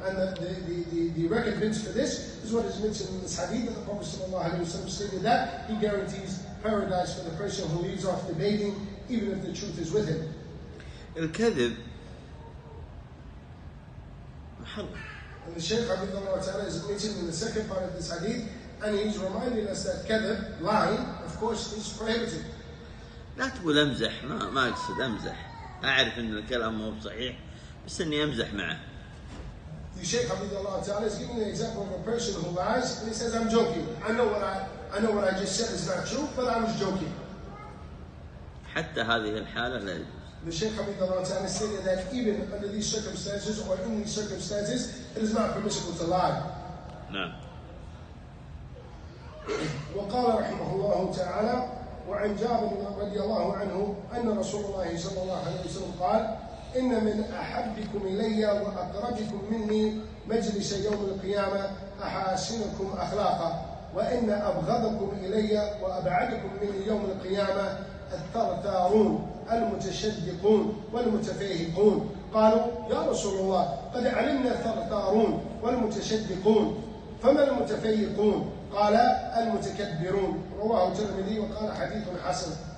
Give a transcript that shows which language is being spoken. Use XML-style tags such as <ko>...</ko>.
<en>And the recompense for this is what is mentioned in this hadith that the Prophet Sallallahu Alaihi Wasallam stated that he guarantees paradise for the person who leaves off debating even if the truth is with him. Al-Kadhib. And the Shaykh Habib Allah Ta'ala is mentioned in the second part of this hadith and he's reminding us that kadhib, lying, of course, is prohibited.</en> <ar>لا تقول أمزح ما أقصد أمزح أعرف أن الكلام مو صحيح بس أني أمزح معه.</ar> <en>The Shaykh Habib Allah Ta'ala is giving the example of a person who lies and he says, I'm joking. I know what I just said is not true, but I was joking.</en> <ar>حتى هذه الحالة لا يجوز.</ar> <en>The Shaykh Habib Allah Ta'ala stated that even under these circumstances or in these circumstances, it is not permissible to lie. No.</en> <ar>وقال رحمه الله تعالى وعن جابر رضي الله عنه أن رسول الله صلى الله عليه وسلم قال إن من أحبكم إلي وأقربكم مني مجلس يوم القيامة أحاسنكم أخلاقا وإن أبغضكم إلي وأبعدكم مني يوم القيامة الثرثارون المتشدقون والمتفاهقون قالوا يا رسول الله قد علمنا الثرثارون والمتشدقون فما المتفاهقون قال المتكبرون رواه الترمذي وقال حديث حسن</ar>